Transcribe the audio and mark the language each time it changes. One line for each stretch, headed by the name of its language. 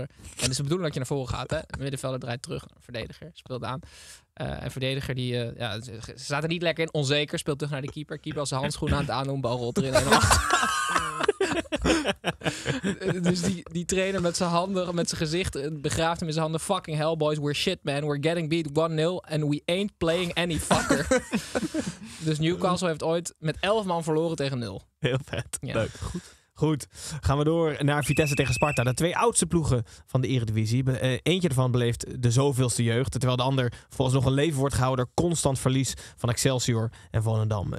Dutch: En het is de bedoeling dat je naar voren gaat. Hè? Middenvelder draait terug. Verdediger speelt aan. Een verdediger die... ja, ze zaten niet lekker in. Onzeker. Speelt terug naar de keeper. Keeper als zijn handschoen aan het aandoen. Bal rolt erin. Dus die trainer met zijn handen, met zijn gezicht, begraaft hem in zijn handen.
English: Fucking hell, boys, we're shit, man. We're getting beat 1-0 and we ain't playing any fucker.
Dutch: Dus Newcastle heeft ooit met 11 man verloren tegen 0. Heel vet. Ja. Leuk. Goed, gaan we door naar Vitesse tegen Sparta. De twee oudste ploegen van de Eredivisie. Eentje ervan beleeft de zoveelste jeugd. Terwijl de ander volgens nog een leven wordt gehouden door constant verlies van Excelsior en Volendam.